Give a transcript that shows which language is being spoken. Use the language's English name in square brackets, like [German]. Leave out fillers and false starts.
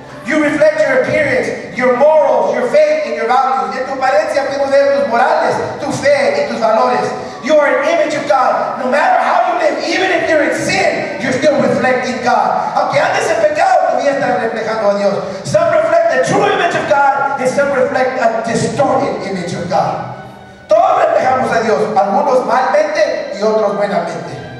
[English] You reflect your appearance, your morals, your faith, and your values. [Spanish] En tu apariencia podemos ver tus morales, tu fe y tus valores. [English] You are an image of God. No matter how you live, even if you're in sin, you're still reflecting God. [Spanish] Aunque andes en pecado, todavía estás reflejando a Dios. [English] Some reflect the true image of God, and some reflect a distorted image of God. [Spanish] Todos reflejamos a Dios, algunos malmente y otros buenamente.